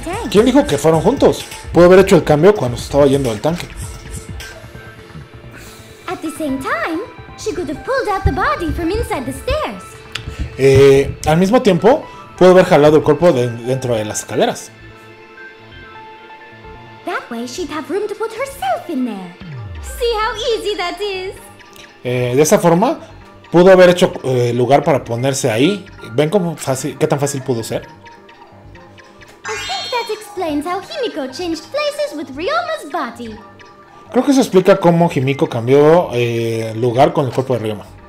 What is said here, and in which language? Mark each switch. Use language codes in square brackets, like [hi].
[es] ¿Quién dijo que fueron juntos? Pudo haber hecho el cambio cuando se estaba yendo del tanque. [en] At the same time, she could have pulled out the body from inside the stairs. [es] Al mismo tiempo, pudo haber jalado el cuerpo de dentro de las escaleras. [en] That way, she'd have room to put herself in there. See how easy that is. [es] De esa forma, pudo haber hecho lugar para ponerse ahí. ¿Ven cómo fácil, qué tan fácil pudo ser? [en] I think that explains how Himiko changed places with Ryoma's body. [es] Creo que eso explica cómo Himiko cambió lugar con el cuerpo de Ryoma.